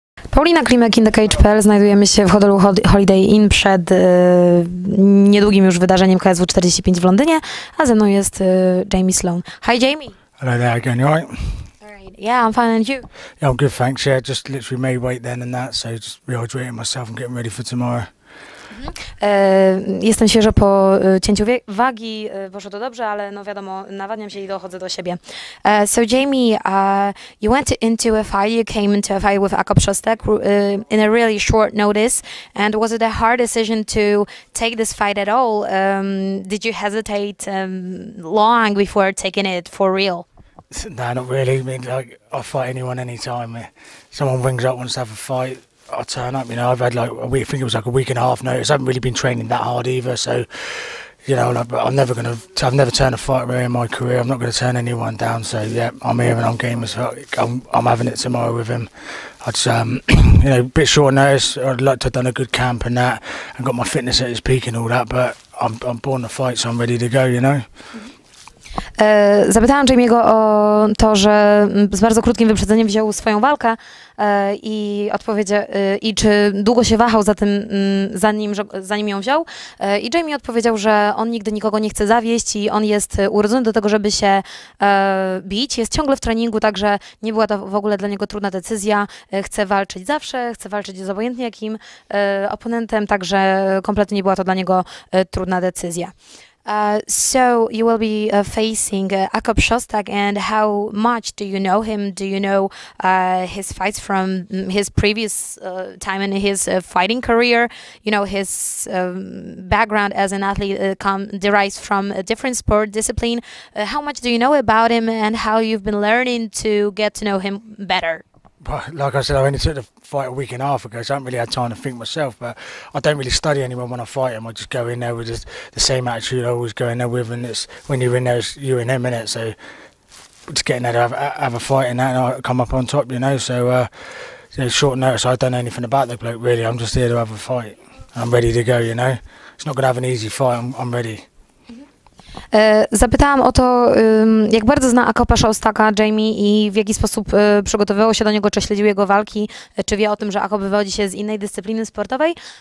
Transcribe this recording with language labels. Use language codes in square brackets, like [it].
[pl] Paulina Klimek in the Cage.pl, znajdujemy się w hotelu Holiday Inn przed niedługim już wydarzeniem KSW 45 w Londynie, a ze mną jest Jamie Sloan. [en] Hi Jamie! Hello there, how are you? Yeah, I'm fine, and you? Yeah, I'm good, thanks. Yeah, just literally made weight then and that, so just rehydrating myself and getting ready for tomorrow. [pl] Jestem świeżo po cięciu wagi, poszło to dobrze, ale no wiadomo, nawadniam się i dochodzę do siebie. [en] So Jamie, you went into a fight, you came into a fight with Jakub Szostek in a really short notice, and was it a hard decision to take this fight at all? Did you hesitate long before taking it for real? No, not really. I mean, like, I'll fight anyone anytime. Someone rings up, wants to have a fight, I'll turn up. You know, I've had like a week, I think it was like a week and a half notice. I haven't really been training that hard either. So, you know, like, I've never turned a fight away in my career. I'm not going to turn anyone down. So, yeah, I'm here and I'm game as well. I'm having it tomorrow with him. I'd you know, a bit short notice. I'd like to have done a good camp and that and got my fitness at its peak and all that. But I'm born to fight, so I'm ready to go, you know. Mm-hmm. [pl] Zapytałam Jamie'ego o to, że z bardzo krótkim wyprzedzeniem wziął swoją walkę i odpowiedział, i czy długo się wahał za tym, zanim ją wziął. I Jamie odpowiedział, że on nigdy nikogo nie chce zawieść i on jest urodzony do tego, żeby się bić. Jest ciągle w treningu, także nie była to w ogóle dla niego trudna decyzja. Chce walczyć zawsze, chce walczyć z obojętnie jakim oponentem, także kompletnie nie była to dla niego trudna decyzja. [en] So you will be facing Jakub Szostek, and how much do you know him? Do you know his fights from his previous time in his fighting career? You know, his background as an athlete derives from a different sport discipline. How much do you know about him, and how you've been learning to get to know him better? Well, like I said, I only took the fight a week and a half ago, so I haven't really had time to think myself, but I don't really study anyone when I fight him. I just go in there with the same attitude I always go in there with, and it's when you're in there, it's you and him, innit? So just getting there to have a fight in that, and I come up on top, you know? So you know, short notice, I don't know anything about the bloke, really. I'm just here to have a fight. I'm ready to go, you know? It's not going to have an easy fight. I'm ready. [pl] Zapytałam o to, jak bardzo zna Jakuba Szostaka Jamie i w jaki sposób przygotowywał się do niego, czy śledził jego walki, czy wie o tym, że Jakub wywodzi się z innej dyscypliny sportowej.